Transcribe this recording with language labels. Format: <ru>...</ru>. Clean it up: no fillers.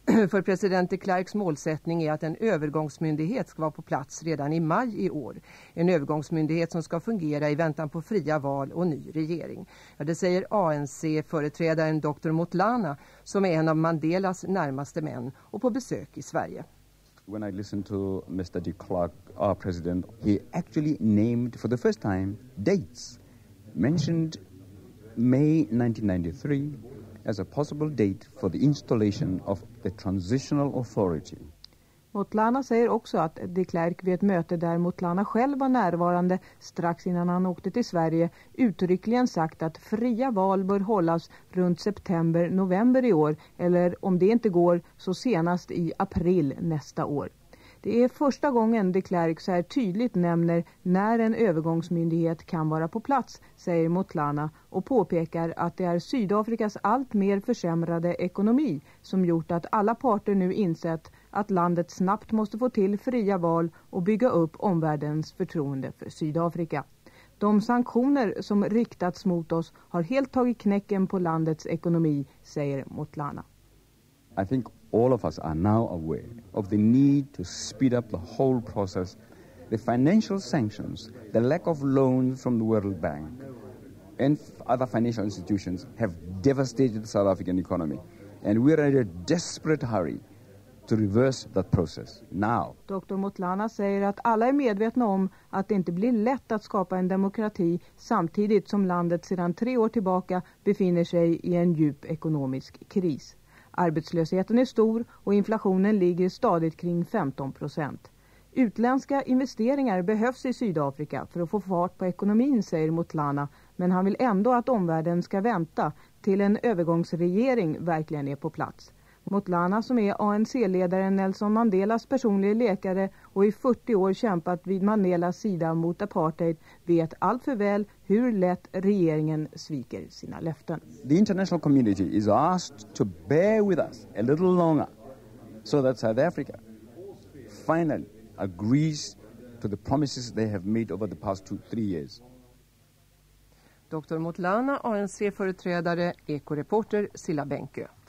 <sv>För president de Klerks målsättning är att en övergångsmyndighet ska vara på plats redan i maj i år. En övergångsmyndighet som ska fungera i väntan på fria val och ny regering. Ja, det säger ANC-företrädaren Dr. Motlana, som är en av Mandelas närmaste män och på besök i Sverige.</sv> <en>When I listened to Mr. de Klerk, our president, he actually named for the first time dates, mentioned May 1993 as a possible date for the installation of the transitional authority.</en> <sv>Motlana säger också att de Klerk vid ett möte där Motlana själv var närvarande strax innan han åkte till Sverige uttryckligen sagt att fria val bör hållas runt september-november i år, eller om det inte går så senast i april nästa år. Det är första gången de Klerk så här tydligt nämner när en övergångsmyndighet kan vara på plats, säger Motlana och påpekar att det är Sydafrikas allt mer försämrade ekonomi som gjort att alla parter nu insett att landet snabbt måste få till fria val och bygga upp omvärldens förtroende för Sydafrika. De sanktioner som riktats mot oss har helt tagit knäcken på landets ekonomi, säger Motlana.</sv> <en>I think all of us are now aware of the need to speed up the whole process. The financial sanctions, the lack of loans from the World Bank and other financial institutions have devastated the South African economy. And we are in a desperate hurry to reverse that process now.</en> <sv>Dr. Motlana säger att alla är medvetna om att det inte blir lätt att skapa en demokrati samtidigt som landet sedan 3 år tillbaka befinner sig i en djup ekonomisk kris. Arbetslösheten är stor och inflationen ligger stadigt kring 15%. Utländska investeringar behövs i Sydafrika för att få fart på ekonomin, säger Motlana, men han vill ändå att omvärlden ska vänta till en övergångsregering verkligen är på plats. Motlana, som är ANC-ledaren Nelson Mandelas personliga läkare och i 40 år kämpat vid Mandelas sida mot apartheid, vet allt för väl hur lätt regeringen sviker sina löften.</sv> <en>The international community is asked to bear with us a little longer so that South Africa finally agrees to the promises they have made over the past 2-3 years.</en> <sv>Dr. Motlana, ANC-företrädare, ekoreporter Silla Benkö.</sv>